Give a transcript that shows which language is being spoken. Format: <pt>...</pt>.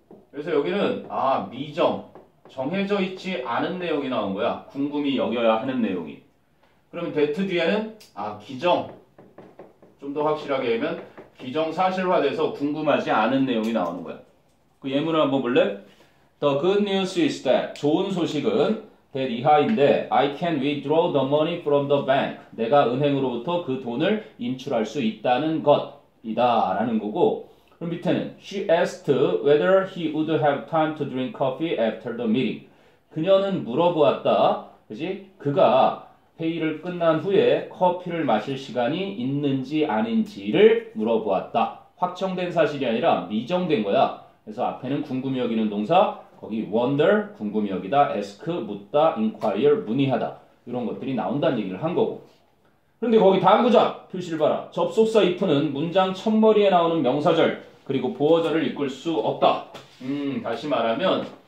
<ko>그래서 여기는, 아, 미정. 정해져 있지 않은 내용이 나온 거야. 궁금히 여겨야 하는 내용이. 그러면 that 뒤에는, 아, 기정. 좀더 확실하게 얘기하면 기정사실화돼서 궁금하지 않은 내용이 나오는 거야. 그 예문을 한번 볼래?</ko> <en>The good news is that,</en> <ko>좋은 소식은,</ko> <en>that</en> <ko>이하인데,</ko> <en>I can withdraw the money from the bank.</en> <ko>내가 은행으로부터 그 돈을 인출할 수 있다는 것이다. 라는 거고, 그럼 밑에는,</ko> <en>She asked whether he would have time to drink coffee after the meeting.</en> <ko>그녀는 물어보았다. 그지? 그가 회의를 끝난 후에 커피를 마실 시간이 있는지 아닌지를 물어보았다. 확정된 사실이 아니라 미정된 거야. 그래서 앞에는 궁금히 여기는 동사, 거기 wonder 궁금히 여기다 ask 묻다 inquire 문의하다 이런 것들이 나온다는 얘기를 한 거고 그런데 거기 다음 구절 표시를 봐라 접속사 if는 문장 첫머리에 나오는 명사절 그리고 보어절을 이끌 수 없다 다시 말하면</ko>